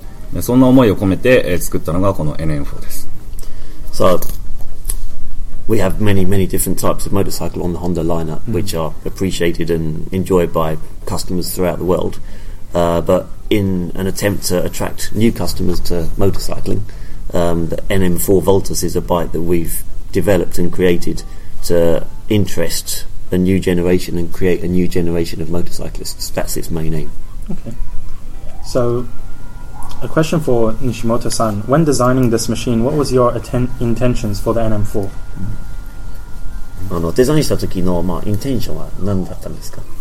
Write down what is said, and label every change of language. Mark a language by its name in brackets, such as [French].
[Japanese] NM4のまあ全体について一言語っていただきたいんですけど、はい、じゃあ日本語で NM4のバルタスは、まあホンダはいろいろなモーターサイクルを持ってます。で、世界中のお客様に喜んでいただいていると思っています。でも私たちはもっと新しいお客様にも来ていただきたいし、それが次世代のファンを作っていきたい。そんな思いを込めて作ったのがこの NM4です。 [English] So we have many different types of motorcycle on the Honda lineup, which are appreciated and enjoyed by customers throughout the world. But in an attempt to attract new customers to motorcycling, the NM4 Voltus is a bike that we've developed and created to interest a new generation and create a new generation of motorcyclists. That's its main aim. Okay. So a question for Nishimoto-san. When designing this machine, what was your intentions for the NM4? [Japanese] デザインした時のまあインテンションは何だったんですか?